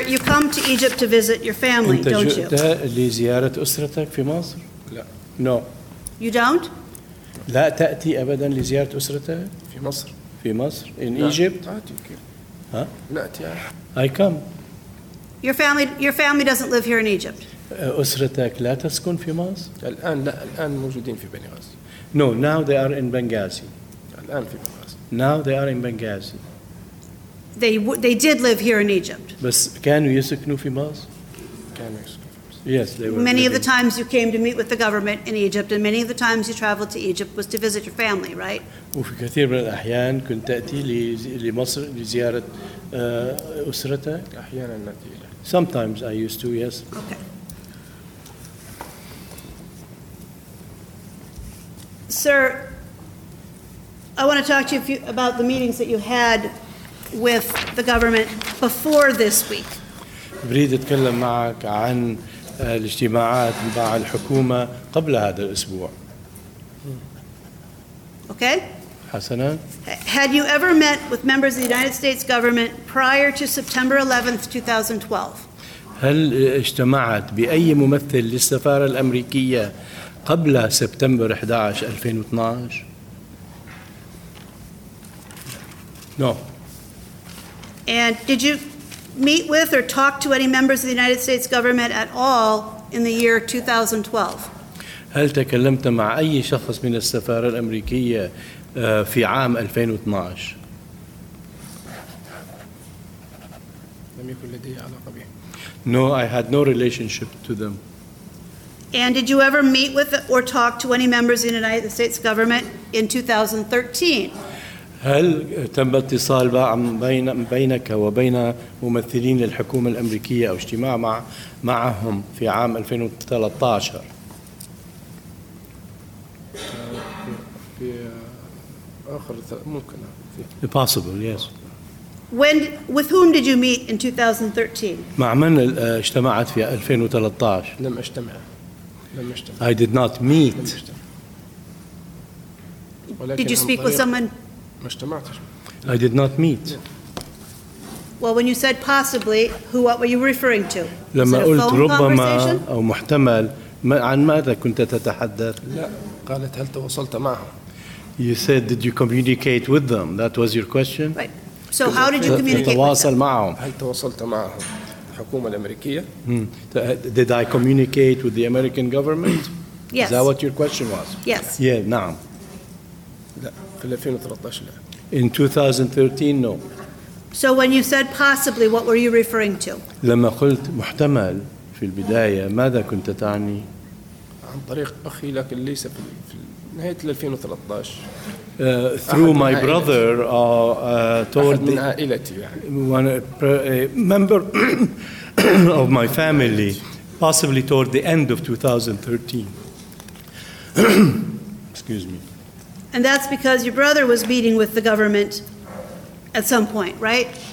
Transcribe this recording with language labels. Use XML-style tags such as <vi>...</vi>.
<en>you come to Egypt to visit your family, don't you?</en> <ar>أنت جئت لزيارة أسرتك في مصر؟ لا.</ar> <en>No. You don't?</en> <ar>لا تأتي أبدا لزيارة أسرتك؟ في مصر. في مصر؟</ar> <en>In Egypt؟</en> <ar>لا أتي. ها؟ لا أتي.</ar> <en>I come. Your family doesn't live here in Egypt.</en> <ar>أسرتك لا تسكن في مصر؟ الآن لا. الآن موجودين في بنغازي.</ar> <en>No. Now they are in Benghazi. Now they are in Benghazi. They did live here in Egypt. But can you speak no Fimas? Yes, they were. Many of the times you came to meet with the government in Egypt, and many of the times you traveled to Egypt was to visit your family, right?</en> <ar>وفي كثير من الأحيان كنت تأتي لمصر لزيارة أسرتك. أحيانا نأتي.</ar> <en>Sometimes I used to, yes. Okay. Sir. I want to talk to you about the meetings that you had with the government before this week.</en> <ar>بريد أتكلم معك عن الاجتماعات مع الحكومة قبل هذا الأسبوع.</ar> <en>Okay.</en> <ar>حسنا.</ar> <en>Had you ever met with members of the United States government prior to September 11th, 2012?</en> <ar>هل اجتمعت بأي ممثل للسفارة الأمريكية قبل</ar> <en>September 11, 2012? No. And did you meet with or talk to any members of the United States government at all in the year 2012?</en> <ar>هل تكلمت مع أي شخص من السفارة الأمريكية في عام 2012؟ لم يكن لدي علاقة بهم.</ar> <en>No, I had no relationship to them. And did you ever meet with or talk to any members of the United States government in 2013?</en> <ar>هل تم اتصال بينك وبين ممثلين للحكومة الأمريكية أو اجتماع معهم في عام 2013؟ في آخر ممكن.</ar> <en>Possible, yes. When, with whom did you meet in 2013؟</en> <ar>مع من اجتمعت في 2013؟ لم أجتمع.</ar> <en>I did not meet. Did you speak with someone? I did not meet. Well, when you said possibly, who? What were you referring to?</en> <ar>لما قلت ربما أو محتمل عن ماذا كنت تتحدث؟ لا. قالت هل تواصلت معهم؟</ar> <en>You said did you communicate with them? That was your question. Right. So how did you communicate with them?</en> <ar>هل تواصلت معهم؟ الحكومة الأمريكية.</ar> <en>Did I communicate with the American government? Yes. Is that what your question was? Yes. Yeah.</en> <ar>نعم. في 2013 لا.</ar> <en>In 2013 no. So when you said possibly, what were you referring to?</en> <ar>لما قلت محتمل في البداية ماذا كنت تعني؟ عن طريق أخي لكن ليس في نهاية 2013.</ar> <en>Through my brother, told</en> <ar>من عائلتي يعني.</ar> <en>One member of my family possibly toward the end of 2013. Excuse me. And that's because your brother was meeting with the government at some point, right?</en>